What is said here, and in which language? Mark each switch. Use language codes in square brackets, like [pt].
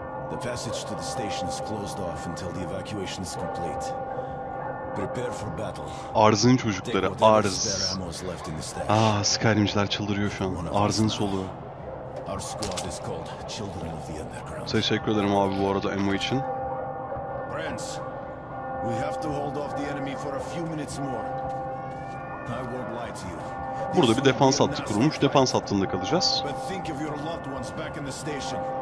[en] The passage to the station is closed off until the evacuation is complete. Prepare for battle. [tr] Arzın çocukları, Arz. Ah, Skyrimciler çıldırıyor şu an. Arzın soluğu. [en] Our squad is called Children of the Underground. [tr] Teşekkür ederim abi bu arada MO için. [en] Prince, we have to hold off the enemy for a few minutes more. I won't lie to you. [tr] Burada bir defans hattı kurulmuş. Defans hattında kalacağız. [en] But think of your loved ones back in the station.